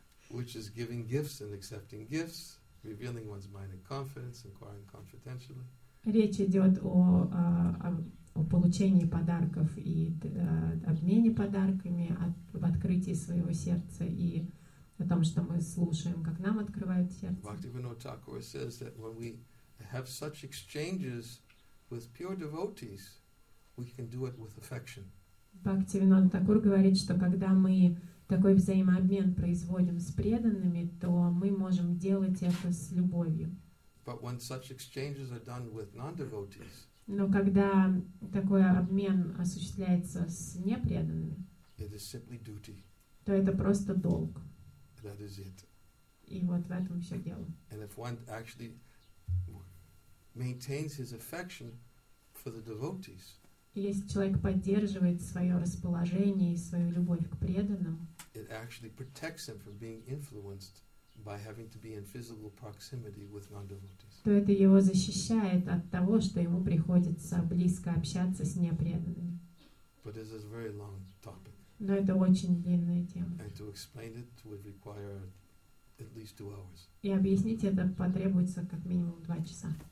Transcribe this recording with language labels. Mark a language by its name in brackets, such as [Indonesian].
[English] Which is giving gifts and accepting gifts, revealing one's mind and confidence, inquiring confidentially. [Russian] Речь идет о получении подарков и обмене подарками, в открытии своего сердца и о том, что мы слушаем, как нам открывают сердце. [English] Bhaktivinoda Thakur says that when we have such exchanges with pure devotees, we can do it with affection. [Russian] Бхактивинода Такур говорит, что когда мы такой взаимообмен производим с преданными, то мы можем делать это с любовью. [English] But when such exchanges are done with non-devotees, [Russian] но когда такой обмен осуществляется с непреданными, [English] it is simply duty. [Russian] То это просто долг. [English] That is it. [Russian] И вот в этом все дело. [English] And if one actually maintains his affection for the devotees, [Russian] если человек поддерживает свое расположение и свою любовь к преданным, [English] it actually protects him from being influenced by having to be in physical proximity with non-devotees. [Russian] То это его защищает от того, что ему приходится близко общаться с непреданными. [English] But this is a very long topic. [Russian] Но это очень длинная тема. [English] And to explain it would require at least 2 hours. [Russian] И объяснить это потребуется как минимум 2 часа.